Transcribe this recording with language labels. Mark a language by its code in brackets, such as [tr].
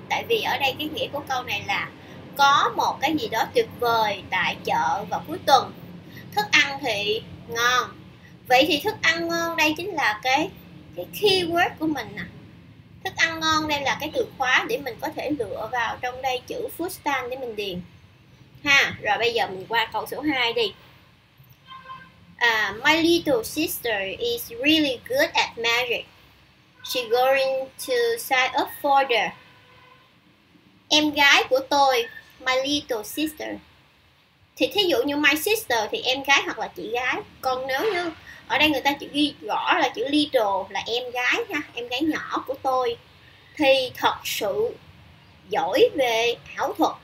[vi] Tại vì ở đây cái nghĩa của câu này là có một cái gì đó tuyệt vời tại chợ vào cuối tuần, thức ăn thì ngon. Vậy thì thức ăn ngon đây chính là cái keyword của mình nè. Thức ăn ngon đây là cái từ khóa để mình có thể lựa vào trong đây chữ food stand để mình điền ha. Rồi bây giờ mình qua câu số 2 đi. [en] My little sister is really good at magic. She's going to sign up for the... [vi] Em gái của tôi, [en] my little sister. [vi] Thì thí dụ như [en] my sister [vi] thì em gái hoặc là chị gái. Còn nếu như ở đây người ta chỉ ghi rõ là chữ little là em gái ha, em gái nhỏ của tôi, thì thật sự giỏi về ảo thuật.